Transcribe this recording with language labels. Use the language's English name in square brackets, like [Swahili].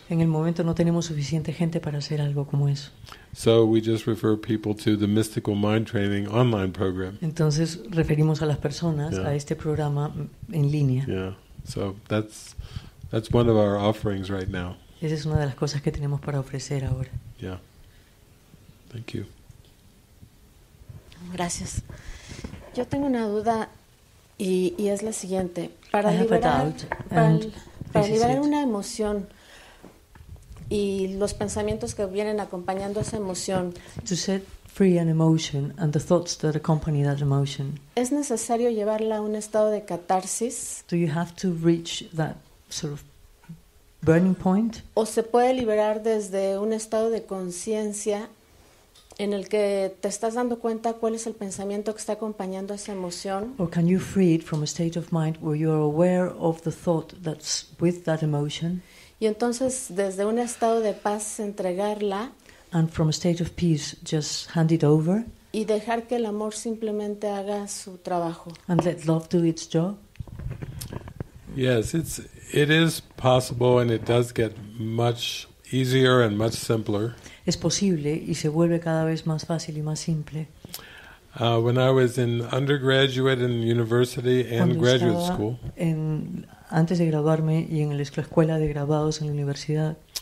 [Spanish] En el momento no tenemos suficiente gente para hacer algo como eso. [English] So we just refer people to the Mystical Mind Training online program. [Spanish] Entonces referimos a las personas a este programa en línea. [English] Yeah. So that's one of our offerings right now. [Spanish] Esa es una de las cosas que tenemos para ofrecer ahora. [English] Yeah. Thank you. [Spanish] Gracias. Yo tengo una duda y es la siguiente. Para liberar una emoción, y los pensamientos que vienen acompañando esa emoción. [English] To set free an emotion and the thoughts that accompany that emotion. [Spanish] ¿Es necesario llevarla a un estado de catarsis? [English] Do you have to reach that sort of burning point? [Spanish] ¿O se puede liberar desde un estado de conciencia en el que te estás dando cuenta cuál es el pensamiento que está acompañando esa emoción? [English] Or can you free it from a state of mind where you are aware of the thought that's with that emotion? [Spanish] Y entonces desde un estado de paz entregarla. [English] And from a state of peace just hand it over. [Spanish] Y dejar que el amor simplemente haga su trabajo. [English] And let love do its job. Yes, it is possible, and it does get much easier and much simpler. [Spanish] Es posible y se vuelve cada vez más fácil y más simple. [English] When I was in undergraduate and university and graduate school, [Spanish] antes de graduarme y en la escuela de grabados en la universidad,